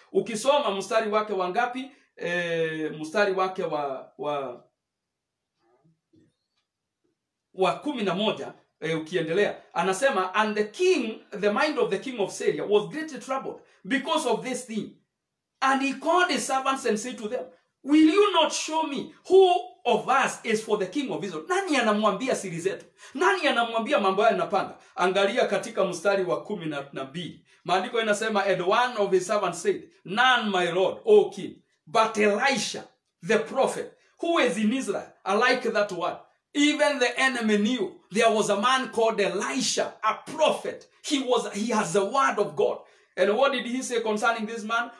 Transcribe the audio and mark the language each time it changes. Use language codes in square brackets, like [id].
[sw] Ukisoma mustari wake wangapi? Mustari wake wa 11, ukiendelea. Anasema, [en] and the king, the mind of the king of Syria was greatly troubled because of this thing. And he called his servants and said to them, will you not show me who of us is for the king of Israel? [sw] Nani anamuambia siri zetu? Nani anamuambia mambo haya yanapanga? Angalia katika mstari wa 12. Maandiko yanasema, [en] and one of his servants said, none my lord, O king, but Elisha, the prophet, who is in Israel, I like that word. Even the enemy knew there was a man called Elisha, a prophet. He has the word of God. And what did he say concerning this man?